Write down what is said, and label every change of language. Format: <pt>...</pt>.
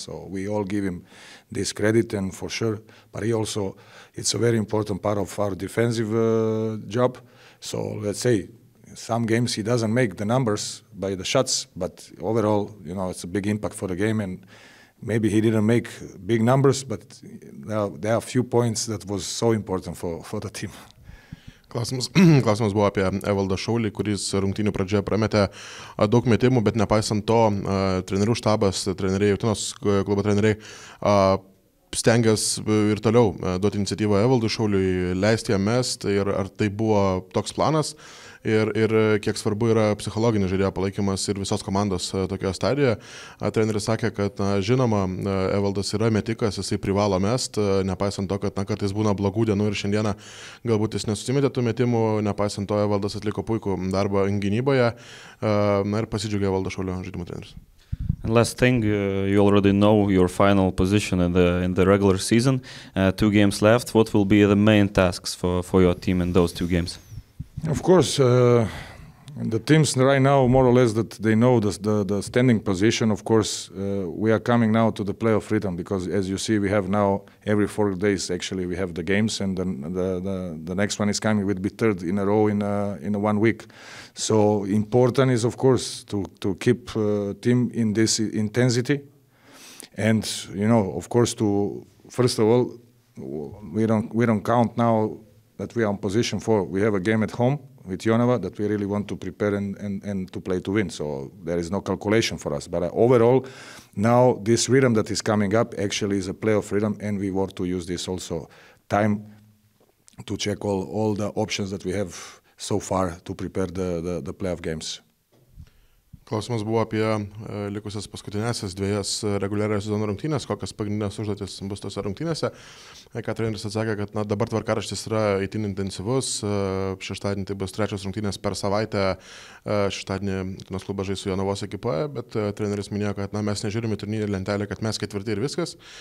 <en>So we all give him this credit, and for sure, but he also, it's a very important part of our defensive job. So let's say some games he doesn't make the numbers by the shots, but overall, you know, it's a big impact for the game. And maybe he didn't make big numbers, but there are a few points that was so important for the team.</en> <lt>Klausimas buvo apie Evaldą Šaulį, kuris rungtynių pradžioje prametė daug metimų, bet nepaisant to, trenerių štabas, treneriai, Utenos klubo treneriai, stengęs ir toliau duoti iniciatyvą Evaldui Šauliui, leisti jam mest, ir ar tai buvo toks planas, ir kiek svarbu yra psichologinis žaidėjo palaikymas ir visos komandos tokioje stadijoje. Treneris sakė, kad žinoma, Evaldas yra metikas, jisai privalo mest, nepaisant to, kad kartais būna blogų dienų ir šiandieną galbūt jis nesusimėtė tų metimų, nepaisant to, Evaldas atliko puikų darbą gynyboje, ir pasidžiaugė Evaldo Šaulio žaidimo treneris.</lt> <en>And last thing, you already know your final position in the regular season. Two games left. What will be the main tasks for your team in those two games? Of course, the teams right now, more or less, that they know the standing position. Of course, we are coming now to the playoff rhythm, because as you see, we have now every 4 days actually we have the games, and then the next one is coming. We'll be third in a row in 1 week. So important is, of course, to keep team in this intensity, and, you know, of course, to first of all, we don't count now that we are in position four. We have a game at home with Jonava that we really want to prepare and to play to win. So there is no calculation for us. But overall, now this rhythm that is coming up actually is a playoff rhythm, and we want to use this also time to check all the options that we have so far to prepare the playoff games.</en> <lt>Klausimas buvo apie likusias paskutinėsias dviejas reguliariojo sezono rungtynės, kokias pagrindinės užduotis bus tose rungtynėse. Ką treneris atsakė, kad dabar tvarkaraštis yra itin intensyvus. Šeštadienį tai bus trečios rungtynės per savaitę. Šeštadienį Utenos klubas žais su Jonavos ekipoje, bet treneris minėjo, kad mes nežiūrime turnyrinį lentelę, kad mes ketvirti ir viskas.</lt>